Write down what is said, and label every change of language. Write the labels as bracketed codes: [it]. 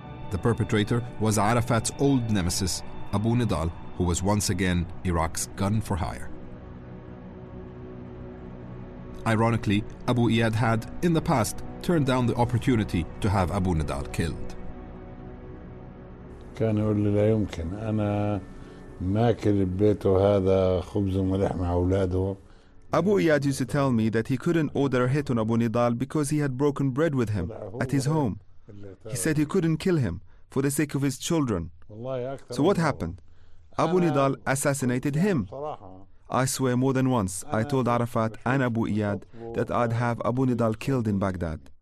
[en] The perpetrator was Arafat's old nemesis, Abu Nidal, who was once again Iraq's gun for hire. Ironically, Abu Iyad had, in the past, turn down the opportunity to have Abu Nidal killed. [ar] كان يقول لي لا يمكن انا ماكل بيته هذا خبز وملح مع اولاده. [en] Abu Iyad used to tell me that he couldn't order a hit on Abu Nidal because he had broken bread with him at his home. He said he couldn't kill him for the sake of his children. So what happened? Abu Nidal assassinated him. I swear more than once I told Arafat and Abu Iyad that I'd have Abu Nidal killed in Baghdad.